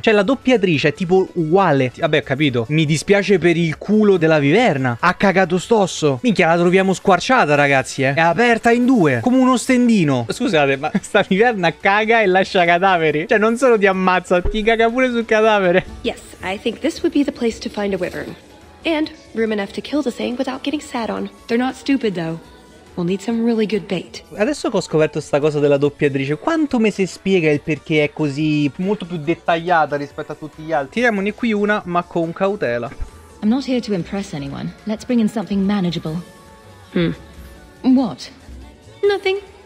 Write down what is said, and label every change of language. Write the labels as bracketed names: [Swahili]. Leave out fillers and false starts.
[Italian] Cioè, la doppiatrice è tipo uguale. Vabbè, ho capito. Mi dispiace per il culo della viverna. Ha cagato stosso. Minchia, la troviamo squarciata, ragazzi, eh. È aperta in due, come uno stendino. Scusate, ma sta viverna caga e lascia cadaveri? Cioè, non solo ti ammazza, ti caga pure sul cadavere. [English] Yes, I think this would be the place to find a wyvern. And room enough to kill the thing without getting sat on. They're not stupid, though. We'll need some really good bait. [Italian] Adesso che ho scoperto sta cosa della doppiatrice, quanto me si spiega il perché è così molto più dettagliata rispetto a tutti gli altri? Tiriamone qui una, ma con cautela. [English] I'm not here to impress anyone. Let's bring in something manageable. What? Nothing.